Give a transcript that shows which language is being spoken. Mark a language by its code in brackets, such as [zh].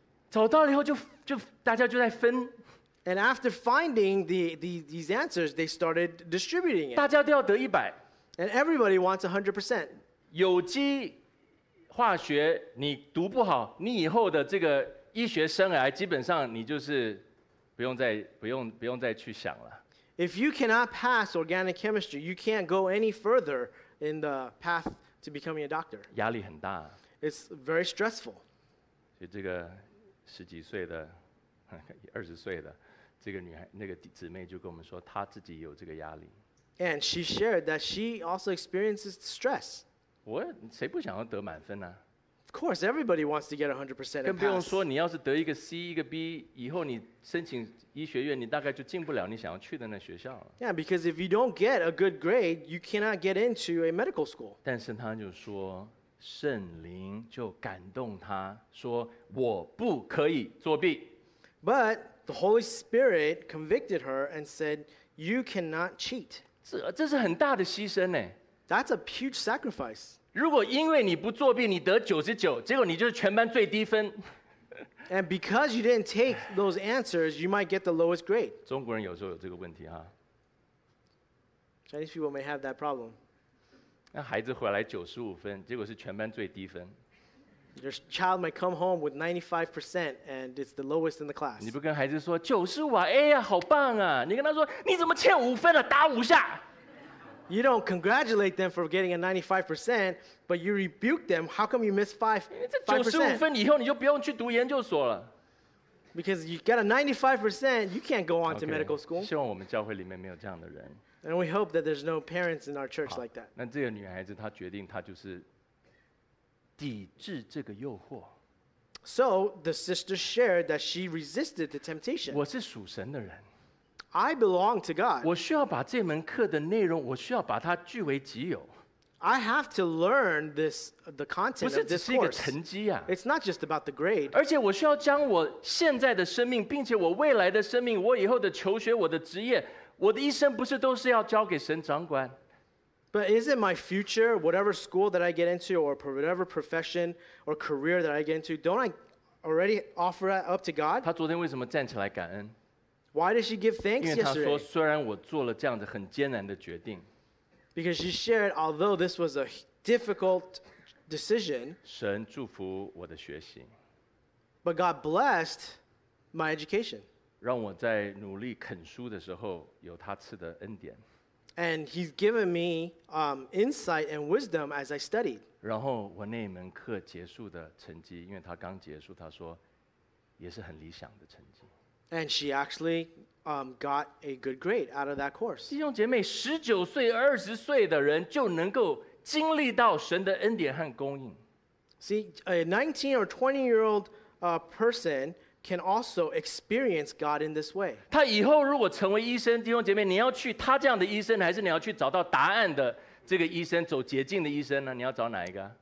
[zh] 找到了以后就大家就在分。 [en] And after finding these answers, they started distributing it. [zh] 大家都要得100。 [en] And everybody wants 100%. [zh] 有机化学你读不好，你以后的这个医学生涯基本上你就是不用再去想了。 [en] If you cannot pass organic chemistry, you can't go any further in the path to becoming a doctor. [zh] 压力很大。 [en] It's very stressful. [zh] 所以这个十几岁的，二十岁的。这个女孩，那个姊妹就跟我们说，她自己有这个压力。 [en] And she shared that she also experiences stress. [zh] 我谁不想要得满分呢、啊、 [en] ？Of course, everybody wants to get 100%. [zh] 更不用说你要是得一个 C 一个 B， 以后你申请医学院，你大概就进不了你想要去的那学校了。 [en] Yeah, because if you don't get a good grade, you cannot get into a medical school. [zh] 但是她就说，圣灵就感动她说，我不可以作弊。 [en] But The Holy Spirit convicted her and said, "You cannot cheat." [zh] 这是很大的牺牲呢。 [en] That's a huge sacrifice. [zh] 如果因为你不作弊，你得99，结果你就是全班最低分。 [en] And because you didn't take those answers, you might get the lowest grade. [zh] 中国人有时候有这个问题哈。 [en] Chinese people may have that problem. [zh] 那孩子回来95分，结果是全班最低分。 [en] Your child might come home with 95% and it's the lowest in the class. [zh] 你不跟孩子说95啊，哎呀，好棒啊！你跟他说你怎么欠5分了、啊？打5下。 [en] You don't congratulate them for getting a 95%, but you rebuke them. How come you missed 5%? [zh] 95分以后你就不用去读研究所了。 [en] Because you get a 95%, you can't go on to medical school. [zh] 希望我们教会里面没有这样的人。 [en] And we hope that there's no parents in our church like that. [zh] 那这个女孩子她决定她就是。抵制这个诱惑。 [en] So the sister shared that she resisted the temptation. [zh] 我是属神的人。 [en] I belong to God. [zh] 我需要把这门课的内容，我需要把它据为己有。 [en] I have to learn the content of this course. [zh] 不是只是一个成绩啊。 [en] It's not just about the grade. [zh] 而且我需要将我现在的生命，并且我未来的生命，我以后的求学，我的职业，我的一生，不是都是要交给神掌管？ [en] But isn't my future, whatever school that I get into, or whatever profession or career that I get into, don't I already offer that up to God? [zh] 她昨天为什么站起来感恩？ [en] Why did she give thanks yesterday? [zh] 因为她说，虽然我做了这样子很艰难的决定。 [en] Because she shared, although this was a difficult decision, [zh] 神祝福我的学习。 [en] But God blessed my education. [zh] 让我在努力啃书的时候，有他赐的恩典。 [en] And he's given me insight and wisdom as I studied. [zh] 然后我那门课结束的成绩，因为他刚结束，他说也是很理想的成绩。 [en] And she actually got a good grade out of that course. [zh] 弟兄姐妹，19岁、20岁的人就能够经历到神的恩典和供应。 [en] See, a 19 or 20 year old person can also experience God in this way. [zh] 他以后如果成为医生，弟兄姐妹，你要去他这样的医生，还是你要去找到答案的这个医生，走捷径的医生呢？你要找哪一个？